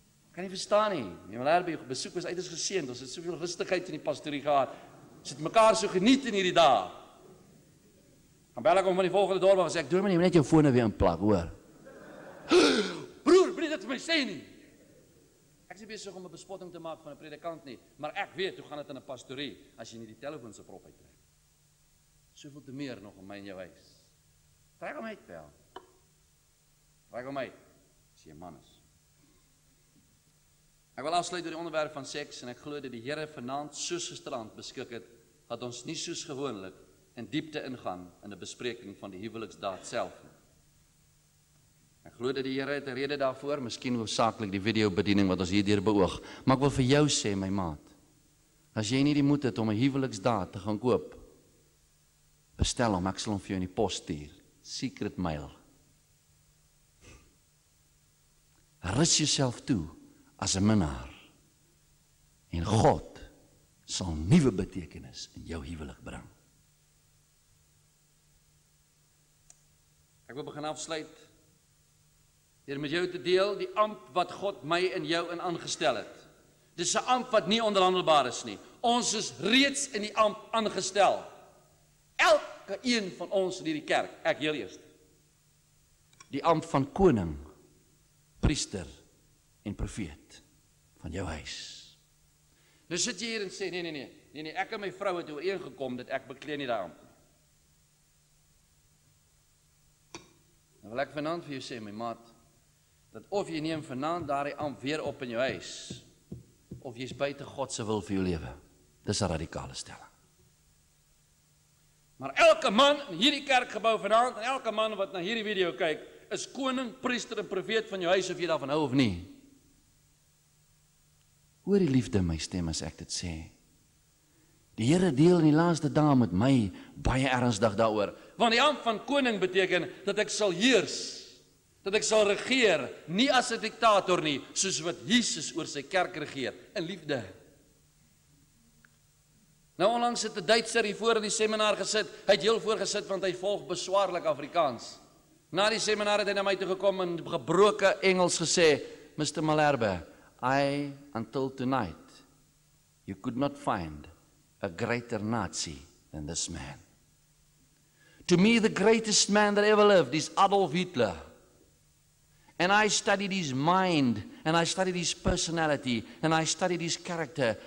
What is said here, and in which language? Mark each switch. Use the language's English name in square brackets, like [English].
[Afrikaans] Kan nie verstaan nie, nie wil herbe, jou besoek was uiters geseend, ons het soveel rustigheid in die pastorie gehad, ons het mekaar so geniet in hierdie dag. Dan bel ek om van die volgende dorp, en sê ek, dominee, moet net jou foon weer in plak, hoor. Broer, moet dit vir my sê nie. Ek is nie besig om 'n bespotting te maak van 'n predikant nie, maar ek weet, hoe gaan dit in 'n pastorie, as jy nie die telefoon se prop uittrek. Soveel te meer nog om my in jou huis. Trek hom uit, Pel. Trek hom uit, as jy een man is. Ek wil afsluit oor die onderwerp van seks en ek glo dat die Here vanaand soos gisterand beskik het dat ons nie soos gewoonlik in diepte ingaan in 'n bespreking van die huweliksdaad self nie. Ek glo dat die Here het 'n rede daarvoor, miskien hoofsaaklik die videobediening wat ons hierdeur beoog, maar ek wil vir jou sê my maat, as jy nie die moed het om 'n huweliksdaad te gaan koop, bestel hom, ek sal hom vir jou in die pos stuur, [English] secret mail. [Afrikaans] Rus jouself toe as 'n minnaar en God sal nuwe betekenis in jou huwelik bring. Ek wil begin afsluit deur met jou te deel die ampt wat God my en jou in aangestel het. Dis 'n ampt wat nie onderhandelbaar is nie. Ons is reeds in die ampt aangestel. Elke een van ons in hierdie kerk, ek heel eers. Die ampt van koning, priester en profeet van jou huis. Nou sit jy hier en sê, nee, ek en my vrou het ooreengekom dat ek bekleed nie daarom. Nou wil ek vanaand vir jou sê, my maat, dat of jy neem vanaand daardie amp weer op in jou huis, of jy is buite God se wil vir jou lewe. Dis 'n radikale stelling. Maar elke man in hierdie kerkgebou vanaand, en elke man wat na hierdie video kyk, is koning, priester en profeet van jou huis, of jy daarvan hou of nie. Hoor die liefde in my stem as ek dit sê. Die Here deel in die laaste dae met my baie ernstig daaroor. Want die ampt van koning beteken dat ek sal heers. Dat ek sal regeer, nie as 'n diktator nie, soos wat Jesus oor sy kerk regeer, in liefde. Nou onlangs het 'n Duitser hier voor in die seminar gesit. Hy het heel voor gesit want hy volg beswaarlik Afrikaans. Na die seminar het hy na my toe gekom en gebroke Engels gesê, Mr. [English] Malherbe, I, until tonight, you could not find a greater Nazi than this man. To me, the greatest man that ever lived is Adolf Hitler. And I studied his mind, and I studied his personality, and I studied his character.